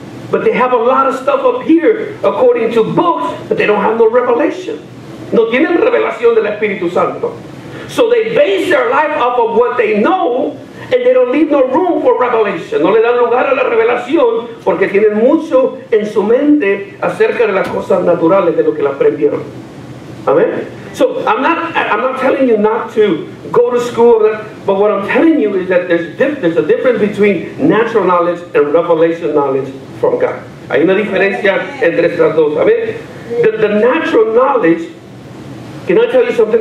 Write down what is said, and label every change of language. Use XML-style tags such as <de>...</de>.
<en>But they have a lot of stuff up here according to books, but they don't have no revelation.</en> <es>No tienen revelación del Espíritu Santo.</es> <en>So they base their life off of what they know, and they don't leave no room for revelation.</en> <es>No le dan lugar a la revelación porque tienen mucho en su mente acerca de las cosas naturales de lo que la aprendieron.</es> <en>Amen. So I'm not telling you not to go to school, but what I'm telling you is that there's a difference between natural knowledge and revelation knowledge from God.</en> <es>Hay una diferencia entre estas dos.</es> <en>Amen. The natural knowledge. Can I tell you something?</en>